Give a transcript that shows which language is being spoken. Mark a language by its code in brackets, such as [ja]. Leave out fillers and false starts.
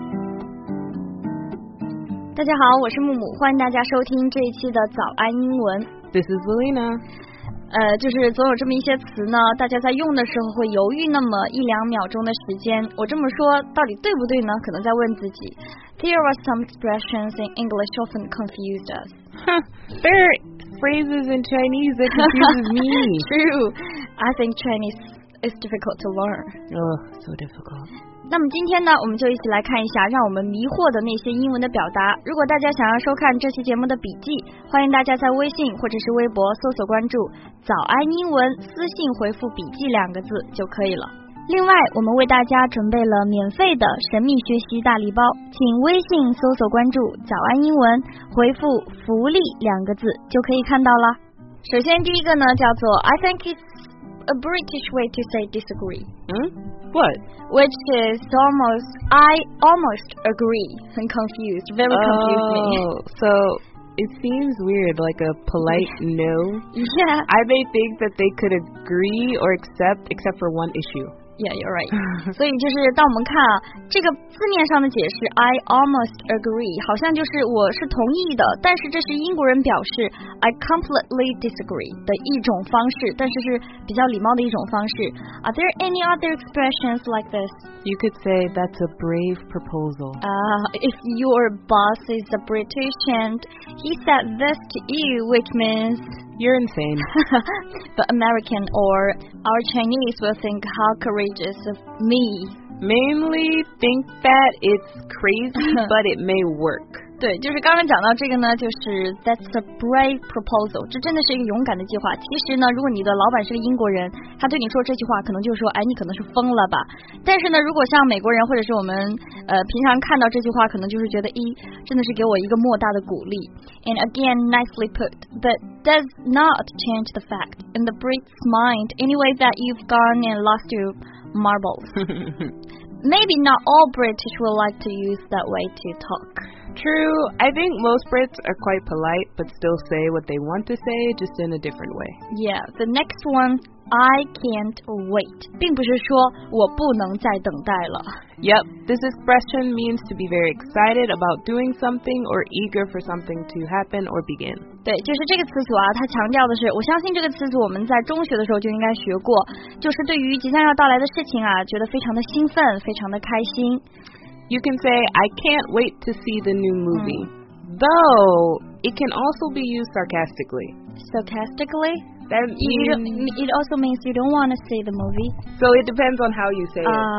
[zh] 大家好，我是木木，欢迎大家收听这一期的早安英文。 [en] This is Zelina。 [zh] 就是总有这么一些词呢，大家在用的时候会犹豫那么一两秒钟的时间。我这么说到底对不对呢？可能在问自己。 [en] There are some expressions in English often confused us. There are phrases in Chinese that confuses me. True. I think Chinese is difficult to learn. Oh, so difficult. [zh] 那么今天呢，我们就一起来看一下让我们迷惑的那些英文的表达。如果大家想要收看这期节目的笔记，欢迎大家在微信或者是微博搜索关注早安英文，私信回复笔记两个字就可以了。另外，我们为大家准备了免费的神秘学习大礼包，请微信搜索关注早安英文，回复福利两个字就可以看到了。首先第一个呢，叫做 [en] I think it's a British way to say disagree。 What? Which is almost, I almost agree. I'm confused, very confused. Oh, so it seems weird, like a polite no. Yeah. I may think that they could agree or accept, except for one issue. Yeah, you're right. [zh] 所以就是当我们看这个字面上的解释 [en] I almost agree, [zh] 好像就是我是同意的，但是这是英国人表示 [en] I completely disagree [zh] 的一种方式，但是是比较礼貌的一种方式。 [en] Are there any other expressions like this? You could say that's a brave proposal. If your boss is a British and he said this to you, which means... You're insane. But American or our Chinese will think how courageous of me. Mainly think that it's crazy, but it may work. [zh] 对，就是刚刚讲到这个呢，就是 [en] that's a brave proposal. [zh] 这真的是一个勇敢的计划。其实呢，如果你的老板是个英国人，他对你说这句话，可能就说，哎，你可能是疯了吧。但是呢，如果像美国人或者是我们平常看到这句话，可能就是觉得，真的是给我一个莫大的鼓励。 [en] And again, nicely put, but does not change the fact in the Brit's mind anyway that you've gone and lost your marbles. Maybe not all British will like to use that way to talk. True. I think most Brits are quite polite, but still say what they want to say, just in a different way. Yeah, the next one, I can't wait. [zh] 并不是说我不能再等待了。 [en] Yep, this expression means to be very excited about doing something or eager for something to happen or begin. [zh] 对，就是这个词组啊，它强调的是，我相信这个词组我们在中学的时候就应该学过，就是对于即将要到来的事情啊，觉得非常的兴奋，非常的开心。 [en] You can say, I can't wait to see the new movie. Though, it can also be used sarcastically. Sarcastically? That means... It also means you don't want to see the movie. So it depends on how you say it.